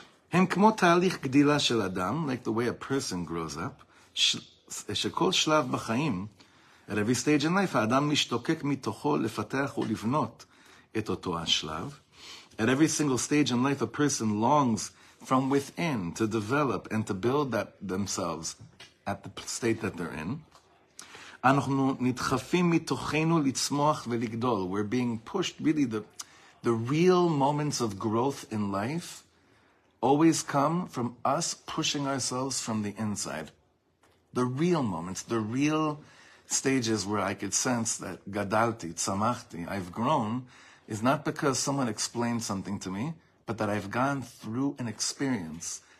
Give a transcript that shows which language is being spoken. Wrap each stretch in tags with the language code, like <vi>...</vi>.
<he>Hem kmo ta'alich gdila shel adam,</he> <en>like the way a person grows up,</en> <he>shekol shlav b'chaim,</he> <en>at every stage in life,</en> <he>ha'adam mishtokek mitocho lefatech ulivnot et oto ha'shlav.</he> <en>At every single stage in life, a person longs from within to develop and to build that themselves at the state that they're in.</en> <he>אנחנו נדחפים מתוכנו לצמוח ולגדול.</he> <en>We're being pushed. Really, the real moments of growth in life always come from us pushing ourselves from the inside. The real moments, the real stages where I could sense that</en> <he>גדלתי, צמחתי,</he> <en>I've grown, is not because someone explained something to me, but that I've gone through an experience.</en>